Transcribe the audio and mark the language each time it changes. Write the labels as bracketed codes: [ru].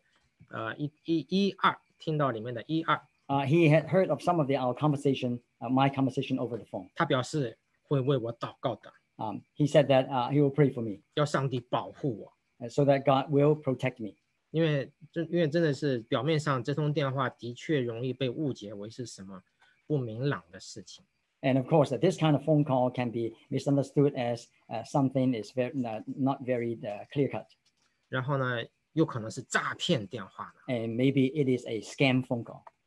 [zh] 他听到我那个电话里的一二, 听到里面的一二, [en] he had heard of some of the, our conversation, my conversation over the phone. [zh] 他表示会为我祷告的, [en] he said that he will pray for me. [zh] 要上帝保护我, [en] so that God will protect me. [zh] 因为真的是表面上这通电话的确容易被误解为是什么不明朗的事情。 [en] And of course, this kind of phone call can be misunderstood as something is very, not very clear-cut. [zh] 然后呢, 又可能是诈骗电话呢。 [en] And maybe it is a scam phone call.